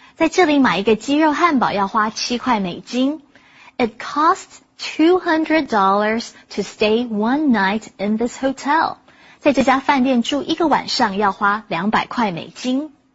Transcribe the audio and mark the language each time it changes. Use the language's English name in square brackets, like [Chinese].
[Chinese] 在这里买一个鸡肉汉堡要花7块美金。 [English] It costs $200 to stay one night in this hotel. [Chinese] 在这家饭店住一个晚上要花200块美金。